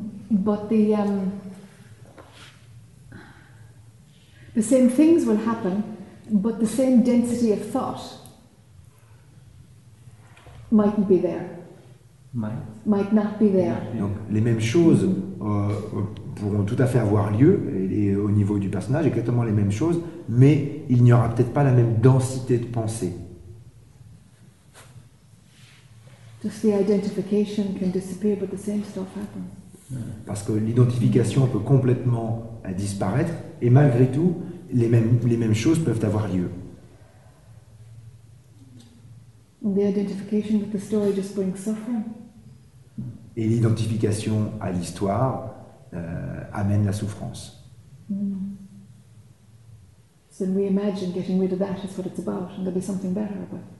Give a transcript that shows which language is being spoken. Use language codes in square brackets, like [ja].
[en] But the same things will happen, but the same density of thought mightn't be there. Might not be there. [fr] Donc les mêmes choses pourront tout à fait avoir lieu et au niveau du personnage, exactement les mêmes choses, mais il n'y aura peut-être pas la même densité de pensée. [en] Just the identification can disappear, but the same stuff happens. [fr] Parce que l'identification peut complètement disparaître et malgré tout, les mêmes choses peuvent avoir lieu. [en] And the identification with the story just brings suffering. [fr] Et l'identification à l'histoire amène la souffrance. Mm. [en] So we imagine getting rid of that is what it's about, and there'll be something better, but